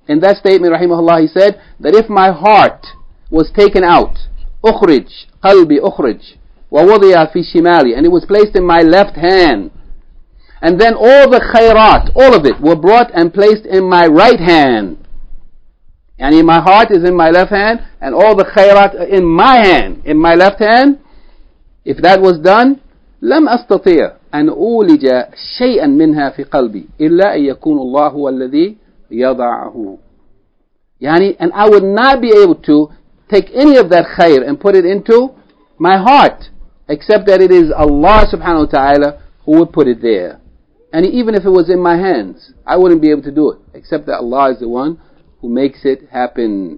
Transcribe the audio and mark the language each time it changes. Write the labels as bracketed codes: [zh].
[en] In that statement, rahimahullah, he said, that if my heart was taken out, [ar] ukhrij, qalbi ukhrij, wa wudiya fi shimali, [en] and it was placed in my left hand, and then all the khayrat, all of it, were brought and placed in my right hand. Yani my heart is in my left hand, and all the khayrat are in my hand, in my left hand. If that was done, [ar] لم أستطيع أن أولج شيئا منها في قلبي إلا أن يكون الله هو الذي يضعه. [en] يعني, and I would not be able to take any of that khair and put it into my heart, except that it is Allah subhanahu wa ta'ala who would put it there. And even if it was in my hands, I wouldn't be able to do it, except that Allah is the one who makes it happen.